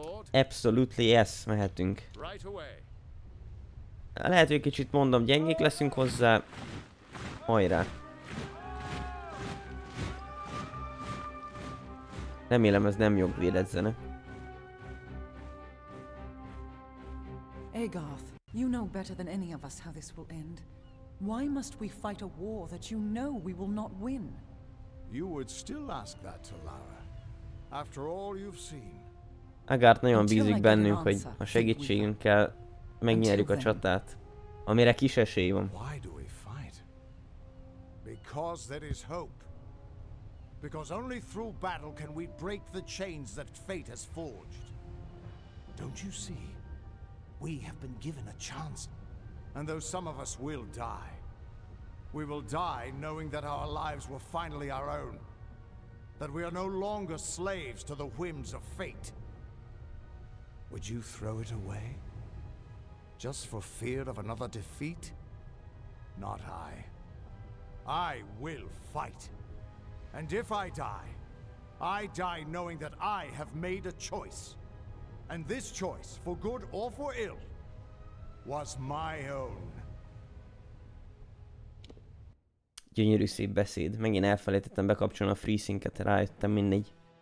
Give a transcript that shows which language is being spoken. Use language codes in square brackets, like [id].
[en] Absolutely yes, [hu] mehetünk. Lehet, hogy kicsit mondom, gyengék leszünk hozzá, hajrá. Remélem ez nem jogvédett zene. [en] Agarth, you know better than any of us how this will end. Why must we fight a war that you know we will not win? You would still ask that to Lara, after all you've seen. [hu] Agarth nagyon bízik bennünk, hogy ha segítségünkkel megnyerjük a csatát, amire kis esély van. [en] Why do we fight? Because there is hope. Because only through battle can we break the chains that fate has forged. Don't you see? We have been given a chance, and though some of us will die, we will die knowing that our lives were finally our own. that we are no longer slaves to the whims of fate. Would you throw it away? Just for fear of another defeat? Not I. I will fight. And if I die, I die knowing that I have made a choice. And this choice, for good or for ill, was my own. [hu] Gyönyörű szép beszéd. Megint elfelejtettem bekapcsolni a FreeSync-et, rájöttem mindegy.